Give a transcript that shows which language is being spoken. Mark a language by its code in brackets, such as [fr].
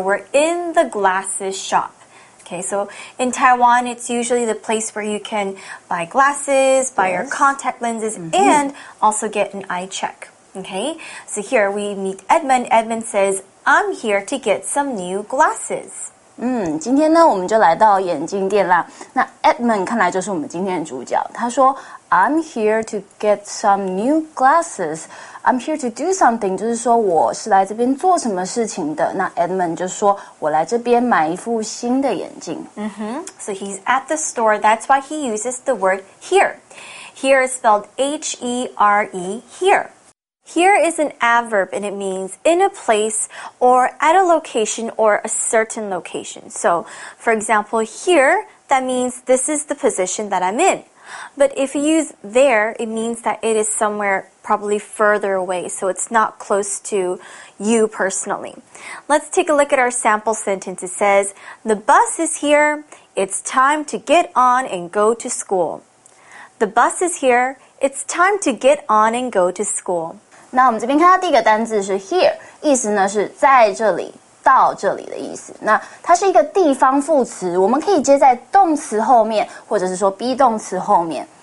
[en] We're in the glasses shop. Okay, so in Taiwan, it's usually the place where you can buy glasses, buy your contact lenses, and also get an eye check. Okay, so here we meet Edmund. Edmund says, I'm here to get some new glasses. [zh] 今天呢，我们就来到眼镜店啦。那 Edmund 看来就是我们今天的主角。他说 ， [en] I'm here to get some new glasses. I'm here to do something， [zh] 就是说我是来这边做什么事情的。那 Edmund 就说，我来这边买一副新的眼镜。 [en] So he's at the store. That's why he uses the word here. Here is spelled H-E-R-E. Here. Here is an adverb, and it means in a place or at a location or a certain location. So, for example, here, that means this is the position that I'm in. But if you use there, it means that it is somewhere probably further away, so it's not close to you personally. Let's take a look at our sample sentence. It says, the bus is here. It's time to get on and go to school. The bus is here. It's time to get on and go to school. [zh] 那我们这边看到第一个单字是 here， 意思呢是在这里、到这里的意思。那它是一个地方副词，我们可以接在动词后面，或者是说 be 动词后面。